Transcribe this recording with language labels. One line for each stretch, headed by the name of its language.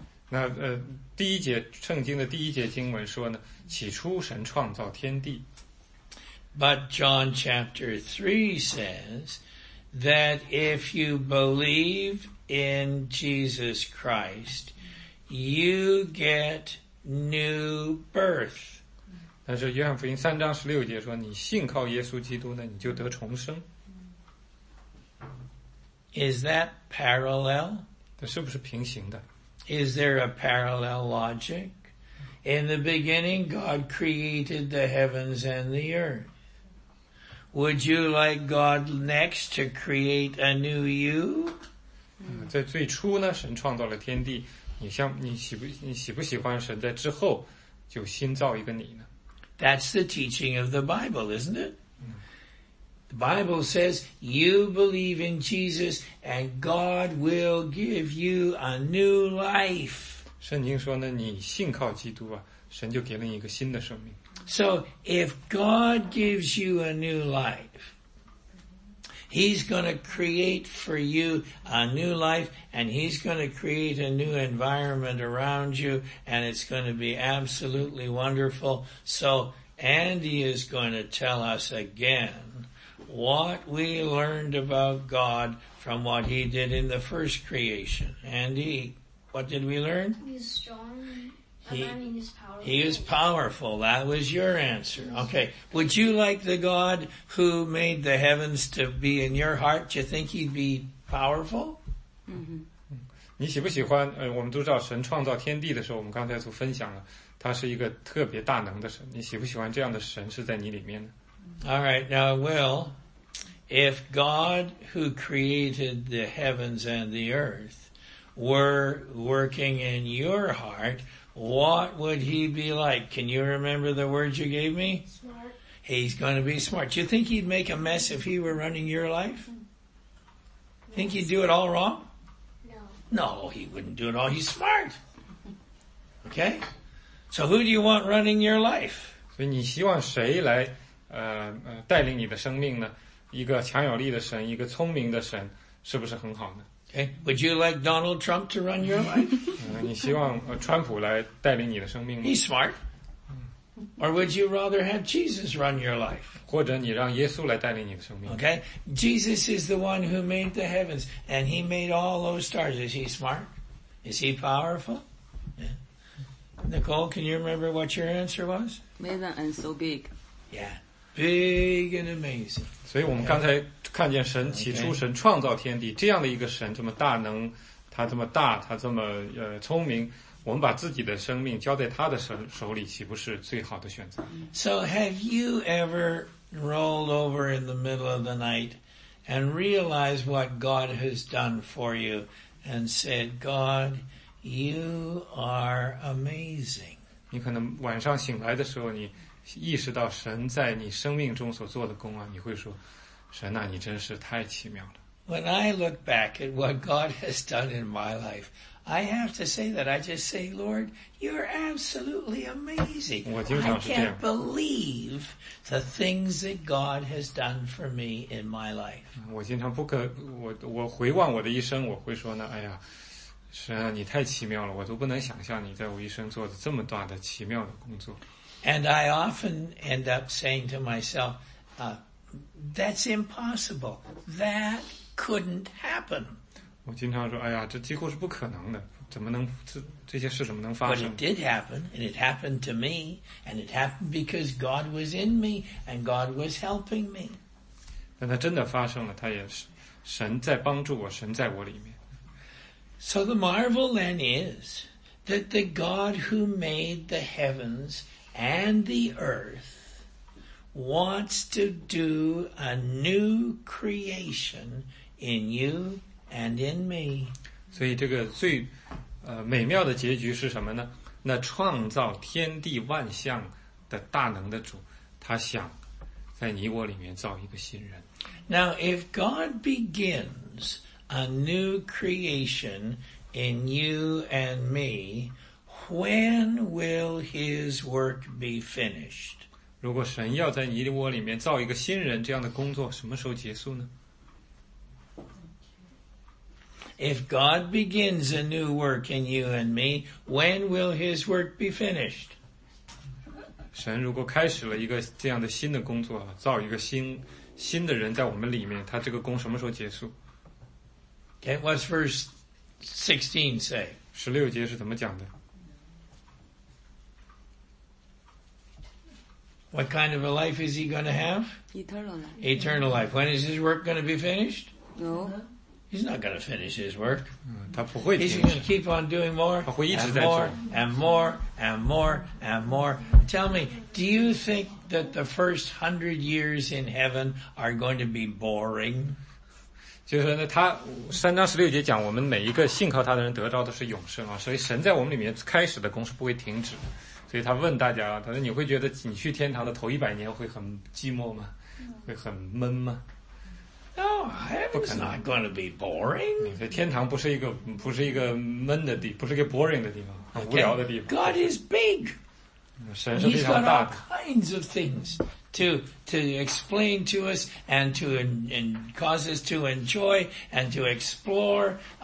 Chinese: 那第一节圣经的第一节经文说呢，起初神创造天地。
English: But John chapter 3 says that if you believe in Jesus Christ, you get new birth.
Chinese: 但是约翰福音三章十六节说，你信靠耶稣基督呢，你就得重生。
English: Is that parallel?
Chinese: 这是不是平行的？
English: Is there a parallel logic? In the beginning, God created the heavens and the earth. Would you like God next to create a new you?
Chinese: 在最初呢，神创造了天地。你喜不喜欢神在之后就新造一个你呢？
English: That's the teaching of the Bible, isn't it? The Bible says you believe in Jesus and God will give you a new life.
Chinese: 圣经说呢，你信靠基督啊，神就给了你一个新的生命。
English: So if God gives you a new life, He's going to create for you a new life and He's going to create a new environment around you and it's going to be absolutely wonderful. So Andy is going to tell us again what we learned about God from what he did in the first creation. Andy, what did we learn? He's strong. He's powerful. He is powerful. That was your answer. Okay. Would you like the God who made the heavens to be in your heart? Do you think he'd be powerful? Mm-hmm.
Chinese: 你喜不喜欢我们都知道神创造天地的时候我们刚才就分享了他是一个特别大能的神。你喜不喜欢这样的神是在你里面呢？
English: Alright, now Will, if God who created the heavens and the earth were working in your heart, what would he be like? Can you remember the words you gave me? Smart. He's going to be smart. Do you think he'd make a mess if he were running your life? Yes. Think he'd do it all wrong? No. No, he wouldn't do it all. He's smart. Okay? So who do you want running your life?
Chinese: 所以你希望谁来带领你的生命呢？一个强有力的神，一个聪明的神，是不是很好呢？
English: Okay. Would you like Donald Trump to run your life?
Chinese: 你希望川普来带领你的生命吗？
English: He's smart. Or would you rather have Jesus run your life?
Chinese: 或者你让耶稣来带领你的生命。
English: Okay. Jesus is the one who made the heavens, and he made all those stars. Is he smart? Is he powerful? Yeah. Nicole, can you remember what your answer was? Made and so big. Yeah. Big and amazing.
Chinese: 所以我们刚才看见神起初神创造天地这样的一个神这么大能他这么大他这么聪明我们把自己的生命交在他的手里岂不是最好的选择
English: So have you ever rolled over in the middle of the night and realized what God has done for you and said, God, you are amazing.
Chinese: 你可能晚上醒来的时候你意识到神在你生命中所做的工啊，你会说，神啊，你真是太奇妙了。
English: When I look back at what God has done in my life, I have to say that I just say, Lord, you're absolutely amazing.
Chinese: 我经常是这样。
English: I can't believe the things that God has done for me in my life.
Chinese: 我经常不可，我回望我的一生，我会说呢，哎呀，神啊，你太奇妙了，我都不能想象你在我一生做的这么大的奇妙的工作。
English: And I often end up saying to myself, that's impossible. That couldn't happen.
Chinese: 我经常说，哎呀，这几乎是不可能的，怎么能，这些事怎么能发生？
English: But it did happen, and it happened to me, and it happened because God was in me, and God was helping me.
Chinese: 但它真的发生了，它也是，神在帮助我，神在我里面。
English: So the marvel then is that the God who made the heavens and the earth wants to do a new creation in you and in me.
Chinese: 所以这个最美妙的结局是什么呢？那创造天地万象的大能的主，他想在你我里面造一个新人。
English: Now, if God begins a new creation in you and me, when will his work be finished?
Chinese: 如果神要在尼窝里面造一个新人，这样的工作什么时候结束呢？
English: If God begins a new work in you and me, when will his work be finished?
Chinese: 神如果开始了一个这样的新的工作，造一个新的人在我们里面，他这个工什么时候结束？
English: Okay, what's verse 16 say?
Chinese: 十六节是怎么讲的？
English: What kind of a life is he going to have? Eternal life. Eternal life. When is his work going to be finished? No. He's not going to finish his work.
Chinese: 他不会停止。
English: He's going to keep on doing more,
Chinese: 他会一直在做。
English: And more, and more, and more, and more. Tell me, do you think that the first 100 years in heaven are going to be boring?
Chinese: 就是呢，他三章十六节讲，我们每一个信靠他的人得到的是永生啊，所以神在我们里面开始的工是不会停止的。所以他问大家，他说你会觉得你去天堂的头一百年会很寂寞吗？会很闷吗？
English: No, heaven's not going to be boring.
Chinese: 天堂不是一个闷的地，不是一个 boring 的地方，很无聊的地方。
English: God is big.
Chinese: 神是非常大的。
English: He's got all kinds of things to explain to us and to and cause us to enjoy and to explore.